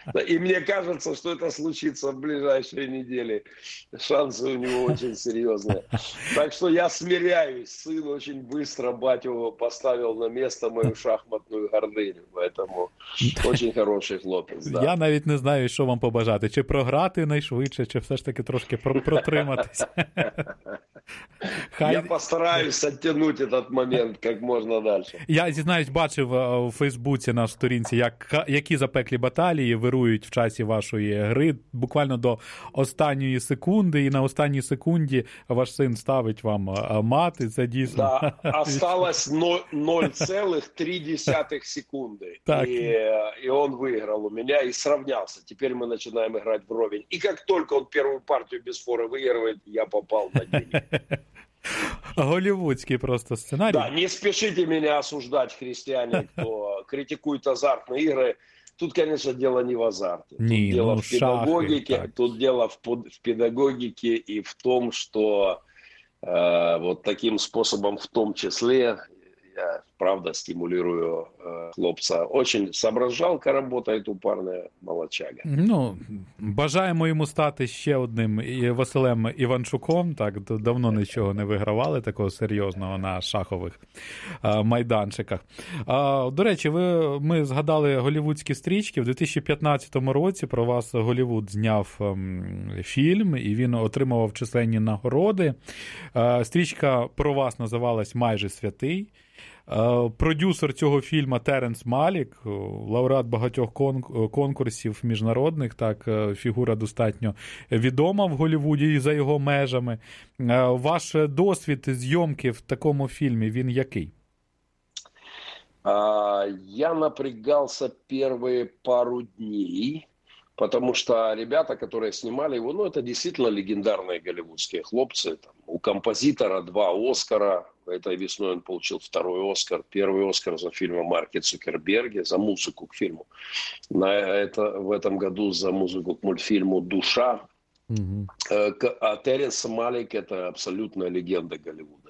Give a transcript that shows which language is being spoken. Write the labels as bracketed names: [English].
[Russian] И мне кажется, что это случится в ближайшие недели. Шансы у него очень серьезные. Так что я смиряюсь. Сын очень быстро батю поставил на место мою шахматную гордыню. Поэтому очень хороший хлопец. Да. [Ukrainian] Я навіть не знаю, що вам побажати. Чи програти найшвидше, чи все ж таки трошки протриматися. Хай... [Russian] Я постараюсь оттянуть этот момент как можно дальше. [Ukrainian] Я, зізнаюсь, бачив у Фейсбуці на сторінці, які запеклі баталії вирують в часі вашої гри буквально до останньої секунди, і на останній секунді ваш син ставить вам мати. Це дійсно. [Russian] Да. Осталось 0,3 секунди. [Ukrainian] Так. І він виграв у мене і зрівнявся. Тепер ми починаємо грати вровень. І як тільки він першу партію без фори виграє, я попав [Russian] на деньги. [Ukrainian] Голівудський просто сценарій. Да, не спішите мене осуждати, християни, хто критикує азартні ігри. Тут, звісно, діло не в азарті. Ні, тут діло ну, в педагогіці, шахи, тут діло в педагогіці і в тому, що от таким способом, в тому числі, я правда стимулюю хлопця. [Russian] Очень соображалка работает у парня, молодчага. [Ukrainian] Ну, бажаємо йому стати ще одним Василем Іванчуком. Так, давно нічого не вигравали такого серйозного на шахових майданчиках. До речі, ми згадали голівудські стрічки. В 2015 році про вас Голівуд зняв фільм, і він отримував численні нагороди. Стрічка про вас називалась «Майже святий». Продюсер цього фільму Теренс Малік, лауреат багатьох конкурсів міжнародних, так, фігура достатньо відома в Голлівуді і за його межами. Ваш досвід зйомки в такому фільмі, він який? Я напрягався перші пару днів, тому що ребята, які знімали його, ну, це дійсно легендарні голлівудські хлопці. Там, у композитора 2 Оскара. [Russian] Этой весной он получил 2-й Оскар. 1-й Оскар за фильм о Марке Цукерберге, за музыку к фильму. В этом году за музыку к мультфильму «Душа». А Теренс Малик – это абсолютная легенда Голливуда.